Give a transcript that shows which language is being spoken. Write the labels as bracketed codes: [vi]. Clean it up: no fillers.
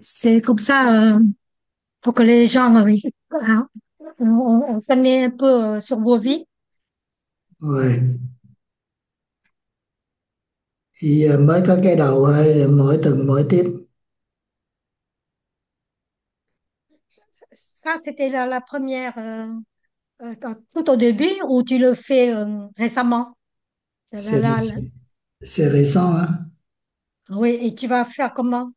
[fr] C'est comme ça, pour que les gens, on connaît un peu sur vos vies. Ouais. [vi] Thì giờ mới có cái đầu thôi để mỗi tuần mỗi tiếp. [fr] Ça, c'était la première tout au début ou tu le fais récemment? C'est récent, hein? Oui, et tu vas faire comment?